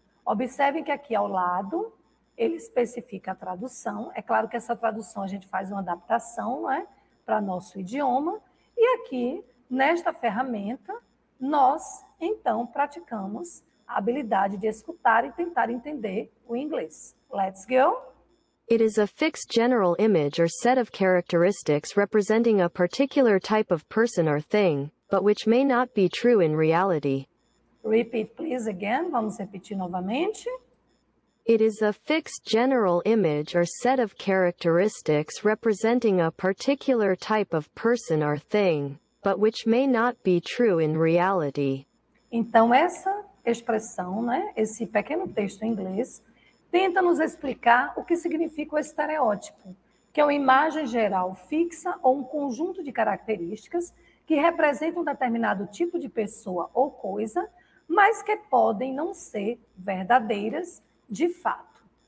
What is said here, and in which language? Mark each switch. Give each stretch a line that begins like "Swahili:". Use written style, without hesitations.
Portuguese: Observem que aqui ao lado ele especifica a tradução. É claro que essa tradução a gente faz uma adaptação, né, para nosso idioma. E aqui, nesta ferramenta, nós então praticamos a habilidade de escutar e tentar entender o inglês.
English: Let's go! It is a fixed general image or set of characteristics representing a particular type of person or thing, but which may not be true in reality. Repeat, please, again.
Portuguese: Vamos repetir novamente.
English: It is a fixed general image or set of characteristics representing a particular type of person or thing, but which may not be true in reality.
Portuguese: Então, essa expressão, né, esse pequeno texto em inglês, tenta nos explicar o que significa o estereótipo, que é uma imagem geral fixa ou um conjunto de características que representam um determinado tipo de pessoa ou coisa, mas que podem não ser verdadeiras de fato.